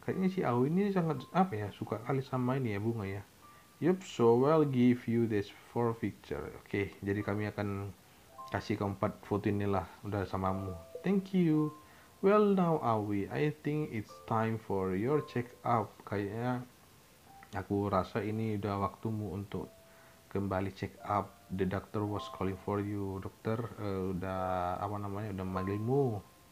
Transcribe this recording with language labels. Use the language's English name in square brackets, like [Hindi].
[Indonesian] Kayaknya si Aoi ini sangat apa ya, suka kali sama ini ya bunga ya. [English] Yup, so I'll give you this four picture. [Indonesian] Okay, jadi kami akan kasih kamu 4 foto inilah udah samamu. [English] Thank you. Well now Aoi, I think it's time for your check up. [Indonesian] Kayaknya aku rasa ini udah waktumu untuk kembali check up. [English] The doctor was calling for you. [Indonesian] Dokter udah apa namanya udah manggilmu.